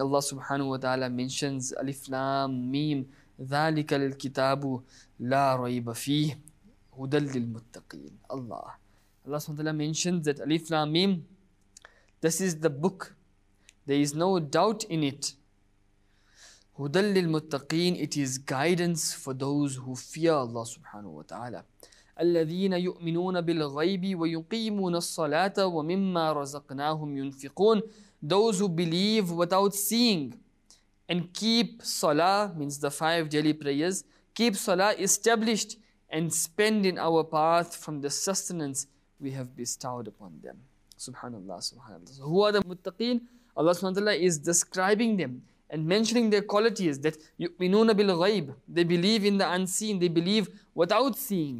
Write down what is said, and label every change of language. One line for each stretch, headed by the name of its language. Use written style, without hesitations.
English: Allah subhanahu wa ta'ala mentions Alif Lam Mim,
Arabic: ذَلِكَ الْكِتَابُ لَا رَيْبَ فِيهِ هُدَلْ لِلْمُتَّقِينَ.
English: Allah subhanahu wa ta'ala mentions that Alif Lam Mim, this is the book, there is no doubt in it.
Arabic: هُدَلْ لِلْمُتَّقِينَ,
English: it is guidance for those who fear Allah subhanahu wa ta'ala.
Arabic: الذين يؤمنون بالغيب ويقيمون الصلاة ومما رزقناهم ينفقون.
English: Those who believe without seeing and keep salah, means the five daily prayers, keep salah established and spend in our path from the sustenance we have bestowed upon them. Subhanallah, subhanallah. So who are the muttaqeen? Allah subhanahu wa ta'ala is describing them and mentioning their qualities, that yu'minuna bil ghaib, they believe in the unseen, they believe without seeing.